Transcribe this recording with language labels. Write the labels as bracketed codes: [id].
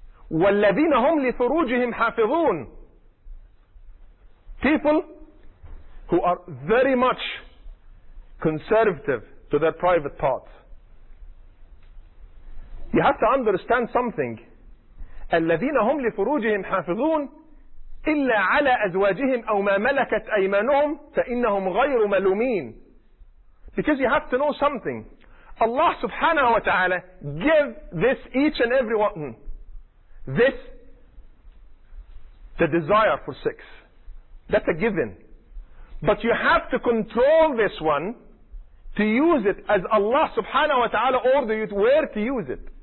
[ar] وَالَّذِينَ هُمْ لِفُرُوجِهِمْ حَافِظُونَ. [en] People who are very much conservative to their private parts. You have to understand something. [ar] الَّذِينَ هُمْ لِفُرُوجِهِمْ حَافِظُونَ إلا على أزواجهم أو ما ملكت أيمانهم فإنهم غير ملومين. [en] Because you have to know something. Allah subhanahu wa ta'ala give this each and every one this the desire for sex. That's a given. But you have to control this one to use it as Allah subhanahu wa ta'ala order you to where to use it.